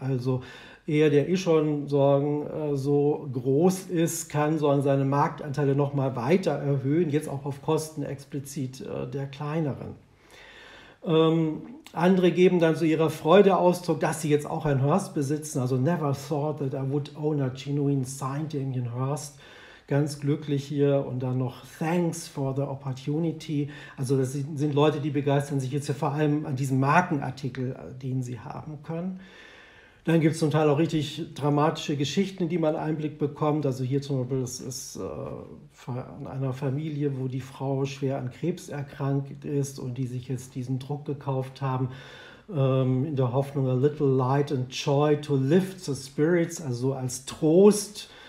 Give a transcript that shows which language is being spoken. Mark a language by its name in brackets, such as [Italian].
[German] Also er, der eh schon so groß ist, kann so seine Marktanteile noch mal weiter erhöhen, jetzt auch auf Kosten explizit der kleineren. Andere geben dann so ihrer Freude Ausdruck, dass sie jetzt auch ein Hirst besitzen. [English] Also never thought that I would own a genuine signed Damien Hirst. [German] Ganz glücklich hier und dann noch [English] Thanks for the opportunity. [German] Also das sind Leute, die begeistern sich jetzt hier vor allem an diesem Markenartikel, den sie haben können. Dann gibt es zum Teil auch richtig dramatische Geschichten, die man Einblick bekommt. Also hier zum Beispiel, das ist von einer Familie, wo die Frau schwer an Krebs erkrankt ist und die sich jetzt diesen Druck gekauft haben, in der Hoffnung, [English] a little light and joy to lift the spirits, [German] also als Trost.